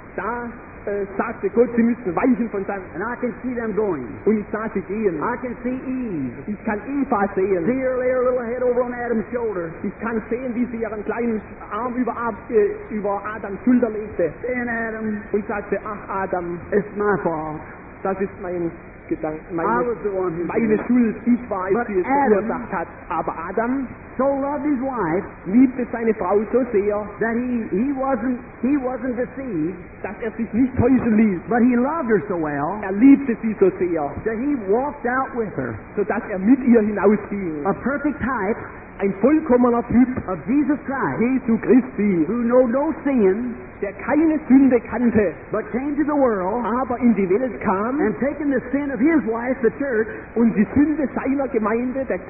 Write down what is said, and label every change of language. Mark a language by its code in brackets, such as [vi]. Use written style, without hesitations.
[de] Da sagte Gott, sie müssen weichen von seinem. [en] And I can see them going. [de] Und ich sah sie gehen. [en] I can see Eve. [de] Ich kann Eva sehen. [en] See her lay her little head over on Adam's shoulder. [de] Ich kann sehen, wie sie ihren kleinen Arm über Adams Schulter legte. [en] And Adam. [de] Und sagte, ach Adam. [en] It's my fault. [de] Das ist mein Gedanke. Meine, [en] I was the one who [de] meine Schuld. Ich war es, die es verursacht hat. Aber Adam. [en] So loved his wife, [de] liebte seine Frau so sehr, [en] that he wasn't deceived, [de] dass sich nicht täuschen ließ, [en] but he loved her so well, [de] liebte sie so sehr, [en] that he walked out with her, [de] so dass mit ihr hinausging. [en] A perfect type, [de] ein vollkommener Typ, [en] of Jesus Christ, [de] Jesu Christi, [en] who knew no sin, [de] der keine Sünde kannte, [en] but came to the world, [de] aber in die Welt kam, [en] and taking the sin of his wife, the church, [de] und die Sünde seiner Gemeinde, der